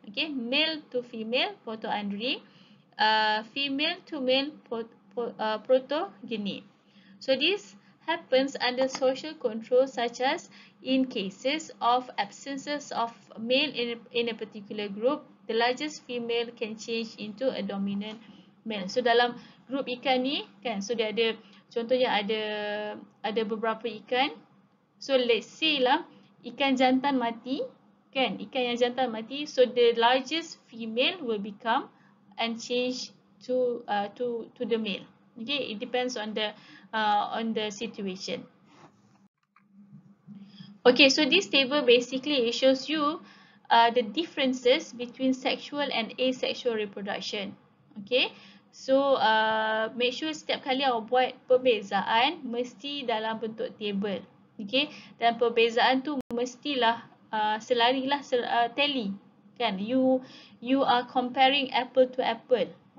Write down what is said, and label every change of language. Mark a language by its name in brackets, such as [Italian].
[English] Okay, male to female protoandry, female to male protogeny. So this happens under social control, such as in cases of absences of male in a particular group, the largest female can change into a dominant male. [Malay] So dalam grup ikan ni kan, so dia ada contohnya ada beberapa ikan. [English] So let's say lah [Malay] ikan jantan mati kan, ikan yang jantan mati, [English] so the largest female will become and change to the male. Okay, it depends on the situation. Okay, so this table basically it shows you the differences between sexual and asexual reproduction. [Malay] Okay, so [English] make sure [Malay] setiap kali awak buat perbezaan mesti dalam bentuk table. Okay, dan perbezaan tu mestilah selarilah tally. [English] Kan, you are comparing apple to apple.